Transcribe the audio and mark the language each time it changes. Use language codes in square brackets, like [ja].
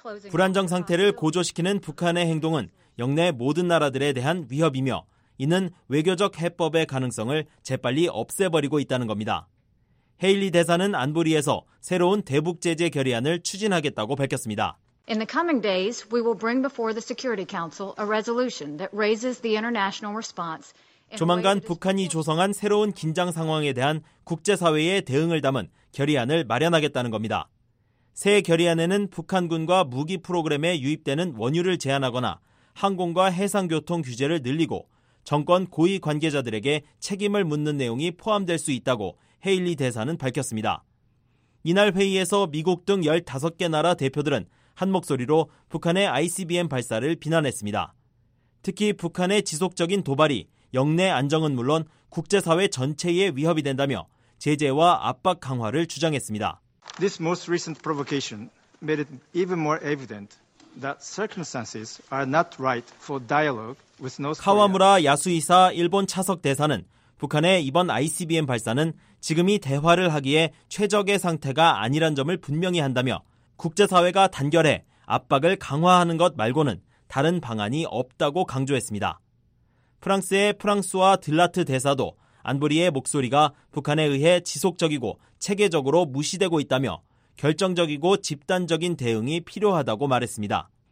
[ko] 불안정 상태를 고조시키는 북한의 행동은 영내 모든 나라들에 대한 위협이며 이는 외교적 해법의 가능성을 재빨리 없애버리고 있다는 겁니다. 헤일리 대사는 안보리에서 새로운 대북 제재 결의안을 추진하겠다고 밝혔습니다. [en] In the coming days, we will bring before the Security Council a resolution that raises the international response. [ko] 조만간 북한이 조성한 새로운 긴장 상황에 대한 국제사회의 대응을 담은 결의안을 마련하겠다는 겁니다. 새 결의안에는 북한군과 무기 프로그램에 유입되는 원유를 제한하거나 항공과 해상교통 규제를 늘리고 정권 고위 관계자들에게 책임을 묻는 내용이 포함될 수 있다고 헤일리 대사는 밝혔습니다. 이날 회의에서 미국 등 15개 나라 대표들은 한 목소리로 북한의 ICBM 발사를 비난했습니다. 특히 북한의 지속적인 도발이 영내 안정은 물론 국제사회 전체에 위협이 된다며 제재와 압박 강화를 주장했습니다. [en] This most recent provocation made it even more evident that circumstances are not right for dialogue with North Korea. [ko] 카와무라 야수이사 일본 차석 대사는 북한의 이번 ICBM 발사는 지금이 대화를 하기에 최적의 상태가 아니란 점을 분명히 한다며 국제사회가 단결해 압박을 강화하는 것 말고는 다른 방안이 없다고 강조했습니다. 프랑스의 프랑스와 들라트 대사도 안보리의 목소리가 북한에 의해 지속적이고 체계적으로 무시되고 있다며 결정적이고 집단적인 대응이 필요하다고 말했습니다.